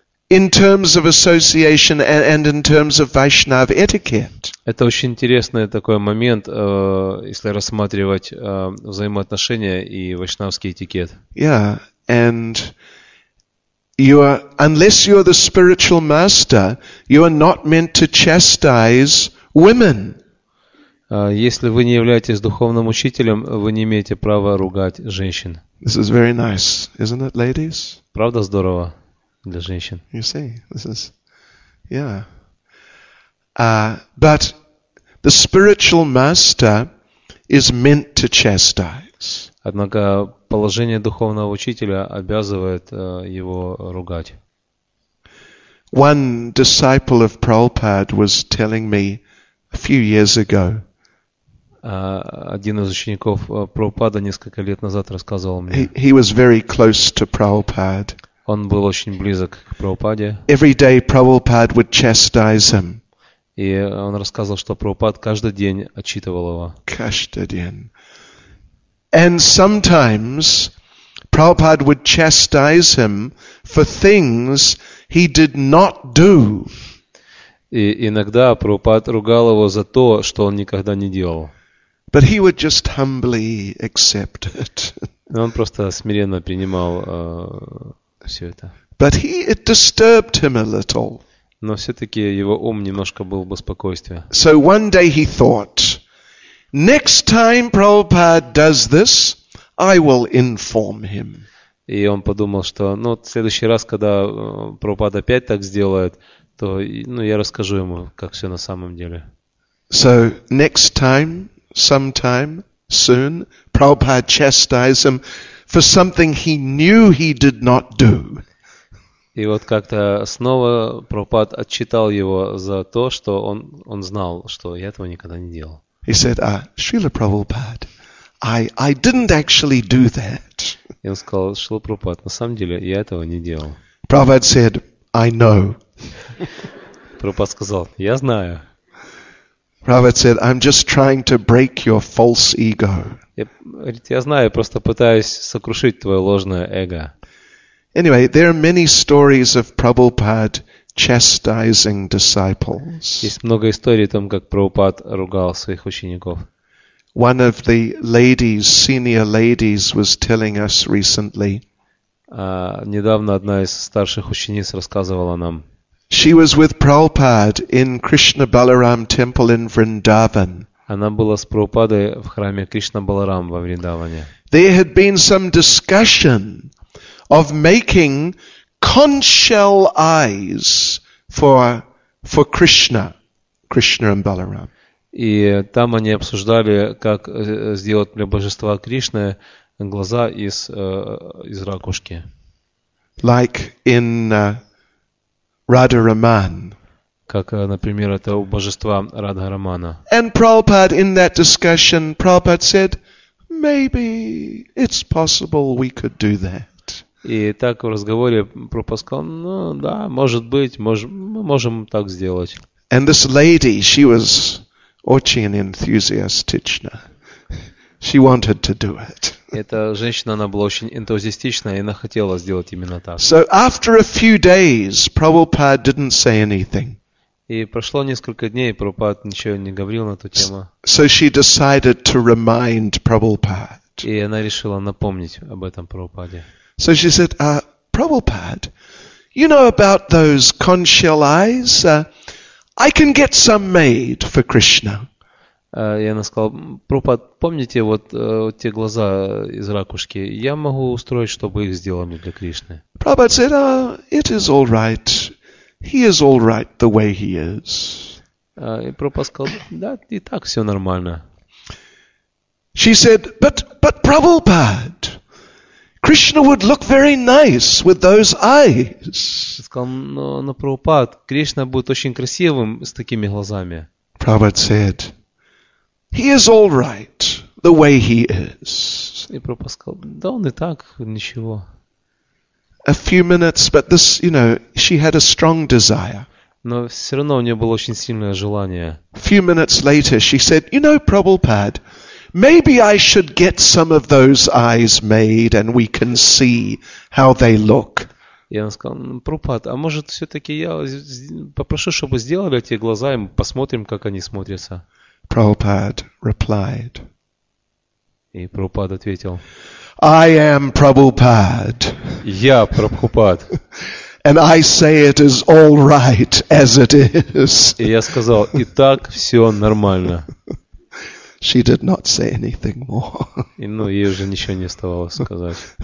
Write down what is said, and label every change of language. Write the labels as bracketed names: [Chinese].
[English] In terms of association and in terms of Vaishnava etiquette. [Russian] Это очень интересный такой момент, если рассматривать взаимоотношения и вайшнавский этикет. [English] Yeah, and you are, unless you are the spiritual master, you are not meant to chastise women. [Russian] Если вы не являетесь духовным учителем, вы не имеете права ругать женщин. [English] This is very nice, isn't it, ladies? [Russian] Правда здорово. Для женщин. [English] You see, this is, yeah. But the spiritual master is meant to chastise. [Russian] Однако положение духовного учителя обязывает его ругать. [English] One disciple of Prabhupada was telling me a few years ago. [Russian] Один из учеников Прабхупады несколько лет назад рассказывал мне. [English] He was very close to Prabhupada. [Russian] Он был очень близок к Прабхупаде. [English] Every day Prabhupada would chastise him. [Russian] И он рассказывал, что Прабхупад каждый день отчитывал его. Каждый день. [English] And sometimes Prabhupada would chastise him for things he did not do. [Russian] И иногда Прабхупад ругал его за то, что он никогда не делал. [English] But he would just humbly accept it. [Russian] Но он просто смиренно принимал все это. [English] But it disturbed him a little. [Russian] Но все-таки его ум немножко был в беспокойстве. [English] So one day he thought, next time Prabhupada does this, I will inform him. [Russian] И он подумал, что ну, в следующий раз, когда Прабхупад опять так сделает, то ну, я расскажу ему, как все на самом деле. [English] So, next time, sometime, soon, Prabhupada chastised him for something he knew he did not do. [Russian] И вот как-то снова Прабхупад отчитал его за то, что он знал, что я этого никогда не делал. [English] He said, Srila Prabhupada, I didn't actually do that. [Russian] И он сказал, Шрила Прабхупад, на самом деле я этого не делал. [English] Prabhupada said, I know. [Russian] Прабхупад сказал, я знаю. [English] Prabhupada said, I'm just trying to break your false ego. [Russian] Я знаю, просто пытаюсь сокрушить твое ложное эго. [English] Anyway, there are many stories of Prabhupada chastising disciples. [Russian] Есть много историй о том, как Прабхупад ругал своих учеников. [English] One of the ladies, senior ladies, was telling us recently. [Russian] Недавно одна из старших учениц рассказывала нам. [English] She was with Prabhupada in Krishna Balaram Temple in Vrindavan. [Russian] Она была с Прабхупадой в храме Кришна Баларам во Вриндаване. [English] There had been some discussion of making conch shell eyes for Krishna and Balaram. [Russian] И там они обсуждали, как сделать для божества Кришны глаза из ракушки. [English] Like in Radharaman. [Russian] Как, например, это у божества Радхарамана. [English] And Prabhupada in that discussion, Prabhupada said, maybe it's possible we could do that. [Russian] И так в разговоре Прабхупад сказал, ну да, может быть, мы можем так сделать. [English] And this lady, she was [Russian] очень энтузиастична. [English] She wanted to do it. [Russian] Эта женщина, она была очень энтузиастична, и она хотела сделать именно так. [English] So after a few days, Prabhupada didn't say anything. [Russian] И прошло несколько дней, и Прабхупад ничего не говорил на эту тему. [English] So she decided to remind Prabhupada. [Russian] И она решила напомнить об этом Прабхупаде. [English] So she said, Prabhupada, you know about those conch shell eyes? I can get some made for Krishna. [Russian] И она сказала, Прабхупада, помните вот те глаза из ракушки? Я могу устроить, чтобы их сделали для Кришны. [English] Prabhupada said, it is all right. He is all right the way he is. [Russian] И Прабхупада сказал, да, и так все нормально. [English] She said, but Prabhupada, Krishna would look very nice with those eyes. [Russian] Сказал, но Прабхупад, Кришна будет очень красивым с такими глазами. [English] Prabhupada said, he is all right the way he is. [Russian] И Прабхупад сказал, да он и так, ничего. [English] A few minutes, but this, you know, she had a strong desire. [Russian] Но все равно у нее было очень сильное желание. [English] A few minutes later, she said, you know, Prabhupad, maybe I should get some of those eyes made and we can see how they look. [Russian] Я сказал, Прабхупад, а может все-таки я попрошу, чтобы сделали эти глаза, и мы посмотрим, как они смотрятся. [English] Prabhupad replied. [Russian] И Прабхупад ответил. [English] I am Prabhupad. [Russian] Я Прабхупад. [English] And I say it is all right as it is. [Russian] И я сказал, и так все нормально. [English] She did not say anything more. [Russian] И, ну, ей уже ничего не оставалось сказать.